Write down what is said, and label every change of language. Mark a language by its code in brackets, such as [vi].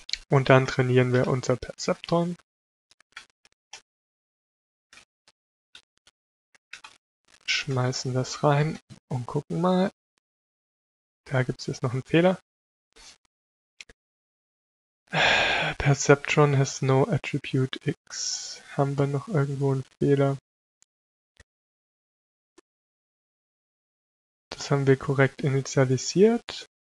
[de] Und dann trainieren wir unser Perzeptron. Schmeißen das rein und gucken mal. Da gibt es jetzt noch einen Fehler. [en] Perceptron has no attribute x. [de] Haben wir noch irgendwo einen Fehler? Das haben wir korrekt initialisiert.